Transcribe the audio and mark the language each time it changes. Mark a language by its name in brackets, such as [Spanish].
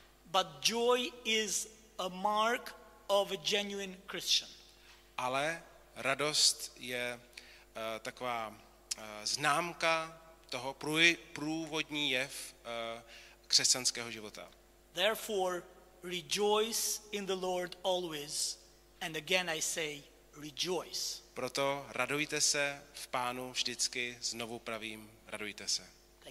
[English] But joy is a mark of a genuine Christian. [Czech] Ale radost je taková známka toho průvodní jev křesťanského života. [English] Therefore rejoice in the Lord always, and again I say rejoice. [Czech] Proto radujte se v Pánu vždycky, znovu pravím, radujte se.